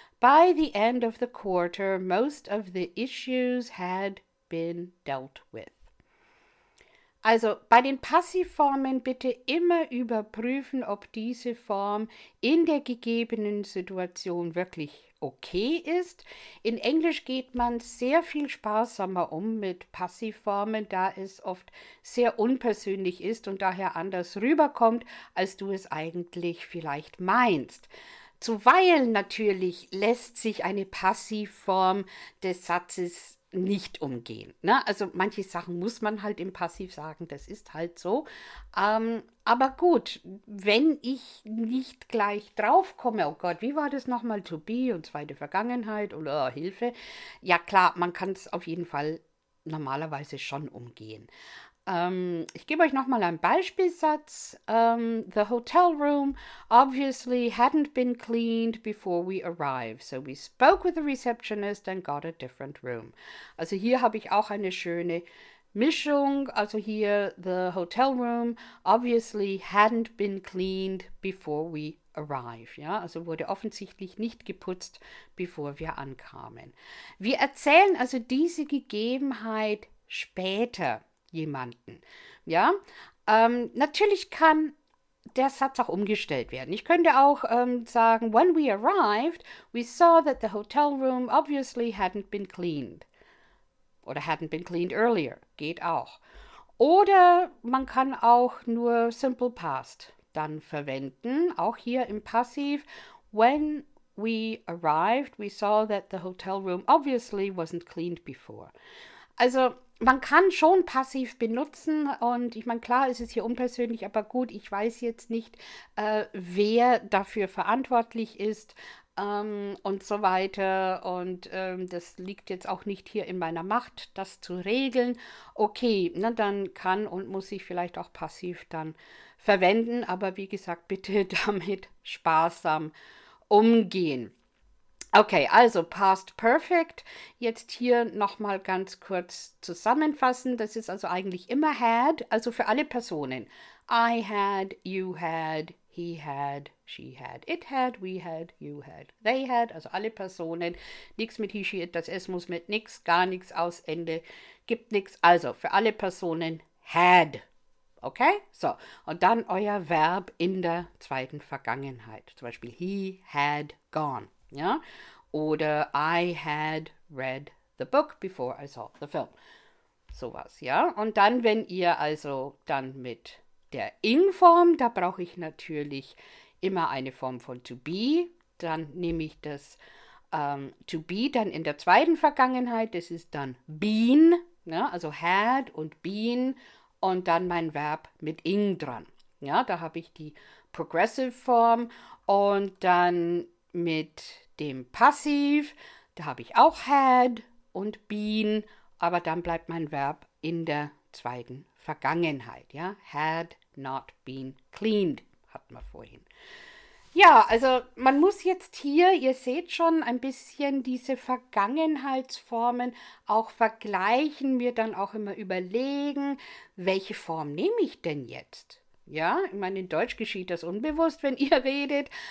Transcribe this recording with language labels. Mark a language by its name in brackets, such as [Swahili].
[English] By the end of the quarter, most of the issues had been dealt with. [German] Also bei den Passivformen bitte immer überprüfen, ob diese Form in der gegebenen Situation wirklich okay ist. In Englisch geht man sehr viel sparsamer um mit Passivformen, da es oft sehr unpersönlich ist und daher anders rüberkommt, als du es eigentlich vielleicht meinst. Zuweilen natürlich lässt sich eine Passivform des Satzes nicht umgehen. Ne? Also manche Sachen muss man halt im Passiv sagen, das ist halt so. Aber gut, wenn ich nicht gleich drauf komme, oh Gott, wie war das nochmal, to be und zweite Vergangenheit oder oh, Hilfe, ja klar, man kann es auf jeden Fall normalerweise schon umgehen. Ich gebe euch nochmal einen Beispielsatz. [English] The hotel room obviously hadn't been cleaned before we arrived, so we spoke with the receptionist and got a different room. [German] Also hier habe ich auch eine schöne Mischung. Also hier, [English] the hotel room obviously hadn't been cleaned before we arrive. [German] Ja, also wurde offensichtlich nicht geputzt, bevor wir ankamen. Wir erzählen also diese Gegebenheit später jemanden. Ja, natürlich kann der Satz auch umgestellt werden. Ich könnte auch sagen, [English] when we arrived, we saw that the hotel room obviously hadn't been cleaned. [German] Oder [English] hadn't been cleaned earlier. [German] Geht auch. Oder man kann auch nur Simple Past dann verwenden. Auch hier im Passiv. [English] When we arrived, we saw that the hotel room obviously wasn't cleaned before. [German] Also man kann schon passiv benutzen und ich meine, klar, es ist hier unpersönlich, aber gut, ich weiß jetzt nicht, wer dafür verantwortlich ist und so weiter. Und das liegt jetzt auch nicht hier in meiner Macht, das zu regeln. Okay, na, dann kann und muss ich vielleicht auch passiv dann verwenden, aber wie gesagt, bitte damit sparsam umgehen. Okay, also Past Perfect. Jetzt hier nochmal ganz kurz zusammenfassen. Das ist also eigentlich immer had, also für alle Personen. [English] I had, you had, he had, she had, it had, we had, you had, they had, [German] also alle Personen. Nix mit he, she, it, das S muss mit nix, gar nichts aus, Ende, gibt nichts. Also für alle Personen had. Okay, so. Und dann euer Verb in der zweiten Vergangenheit. Zum Beispiel [English] he had gone. [German] Ja, oder [English] I had read the book before I saw the film. [German] Sowas, ja. Und dann, wenn ihr also dann mit der Ing-Form, da brauche ich natürlich immer eine Form von to be, dann nehme ich das to be dann in der zweiten Vergangenheit, das ist dann been, ja, also had und been und dann mein Verb mit Ing dran. Ja, da habe ich die Progressive-Form und dann mit dem Passiv, da habe ich auch had und been, aber dann bleibt mein Verb in der zweiten Vergangenheit. Ja, [English] had not been cleaned, [German] hatten wir vorhin. Ja, also man muss jetzt hier, ihr seht schon, ein bisschen diese Vergangenheitsformen auch vergleichen, mir dann auch immer überlegen, welche Form nehme ich denn jetzt? Ja, ich meine, in Deutsch geschieht das unbewusst, wenn ihr redet.